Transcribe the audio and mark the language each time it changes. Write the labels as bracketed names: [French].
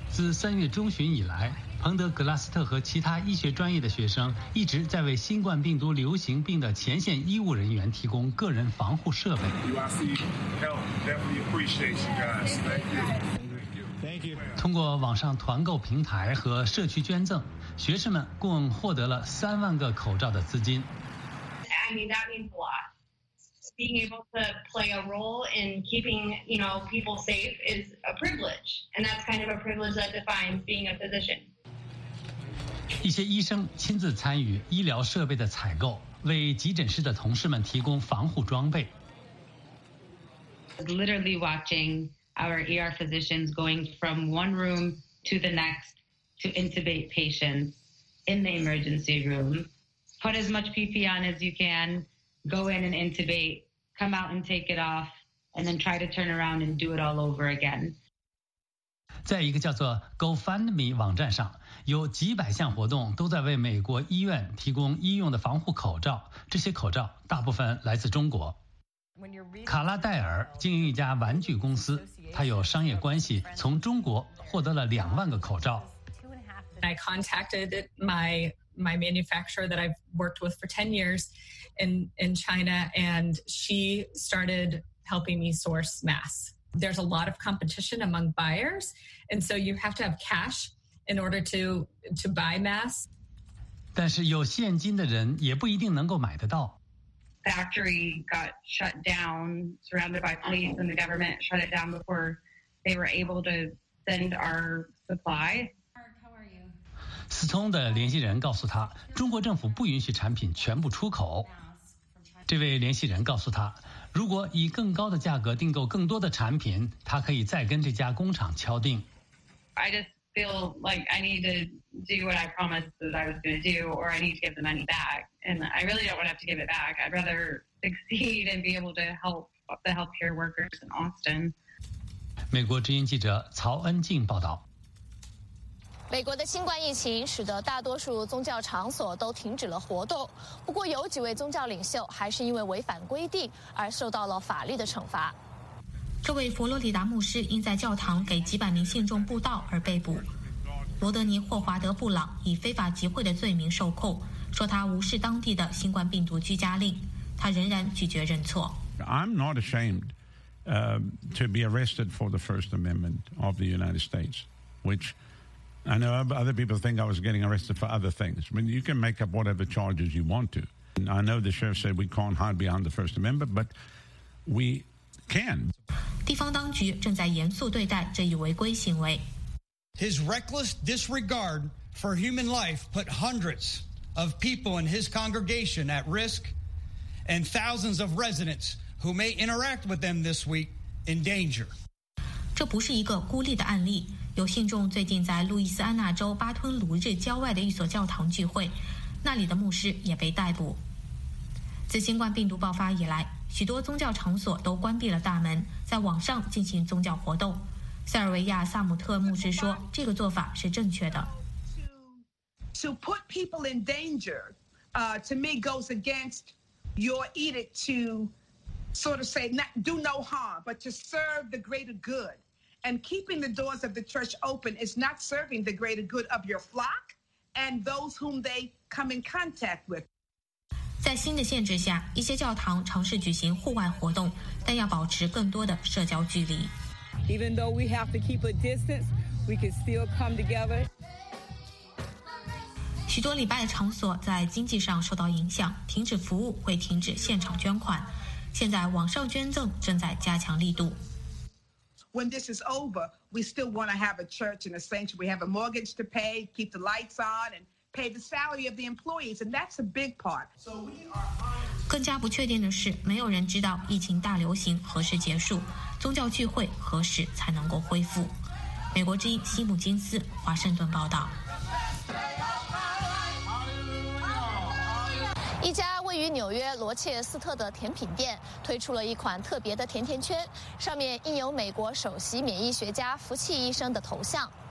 [Chinese] 自三月中旬以来，彭德·格拉斯特和其他医学专业的学生一直在为新冠病毒流行病的前线医务人员提供个人防护设备。通过网上团购平台和社区捐赠，学生们共获得了30,000个口罩的资金。 [English] Being able to play a role in keeping, you know, people safe is a privilege, and that's kind of a privilege that defines being a physician. [Chinese] 一些医生亲自参与医疗设备的采购，为急诊室的同事们提供防护装备。 [English] Literally watching our ER physicians going from one room to the next to intubate patients in the emergency room, put as much PPE on as you can. Go in and intubate, come out and take it off, and then try to turn around and do it all over again. [Chinese] 在一个叫做 GoFundMe 网站上，有几百项活动都在为美国医院提供医用的防护口罩。这些口罩大部分来自中国。卡拉戴尔经营一家玩具公司，他有商业关系，从中国获得了20,000个口罩。 [English] I contacted my manufacturer that I've worked with for 10 years in China, and she started helping me source masks. There's a lot of competition among buyers, and so you have to have cash in order to buy masks. [Chinese] 但是有现金的人也不一定能够买得到。 [English] Factory got shut down, surrounded by police, and the government shut it down before they were able to send our supply. [Chinese] 思通的联系人告诉他，中国政府不允许产品全部出口。这位联系人告诉他，如果以更高的价格订购更多的产品，他可以再跟这家工厂敲定。 [English] I just feel like I need to do what I promised that I was going to do, or I need to give the money back. And I really don't want to have to give it back. I'd rather succeed and be able to help the healthcare workers in Austin. [Chinese] 美国之音记者曹恩静报道。美国的新冠疫情使得大多数宗教场所都停止了活动，不过有几位宗教领袖还是因为违反规定而受到了法律的惩罚。这位佛罗里达牧师因在教堂给几百名信众布道而被捕，罗德尼·霍华德·布朗以非法集会的罪名受控，说他无视当地的新冠病毒居家令，他仍然拒绝认错。 [English] I'm not ashamed to be arrested for the First Amendment of the United States, whichI know other people think I was getting arrested for other things. I mean, you can make up whatever charges you want to. And I know the sheriff said we can't hide behind the First Amendment, but we can. [Chinese] 地方当局正在严肃对待这一违规行为。 [English] His reckless disregard for human life put hundreds of people in his congregation at risk and thousands of residents who may interact with them this week in danger. [Chinese] 这不是一个孤立的案例。有信众最近在路易斯安那州巴吞卢日郊外的一所教堂聚会，那里的牧师也被逮捕。自新冠病毒爆发以来，许多宗教场所都关闭了大门，在网上进行宗教活动。塞尔维亚·萨姆特牧师说，这个做法是正确的。 [English] To put people in danger, to me goes against your edict to sort of say not, do no harm, but to serve the greater good. And keeping the doors of the church open is not serving the greater good of your flock and those whom they come in contact with. [Chinese] 在新的限制下，一些教堂尝试举行户外活动，但要保持更多的社交距离。 [English] Even though we have to keep a distance, we can still come together. [Chinese] 许多礼拜场所在经济上受到影响，停止服务会停止现场捐款。现在网上捐赠正在加强力度。 [English] When this is over, we still want to have a church and a sanctuary. We have a mortgage to pay, keep the lights on, and pay the salary of the employees, and that's a big part. So we are. [Chinese] 更加不确定的是，没有人知道疫情大流行何时结束，宗教聚会何时才能够恢复。美国之音西姆金斯，华盛顿报道。一家位于纽约罗切斯特的甜品店推出了一款特别的甜甜圈，上面印有美国首席免疫学家福契医生的头像。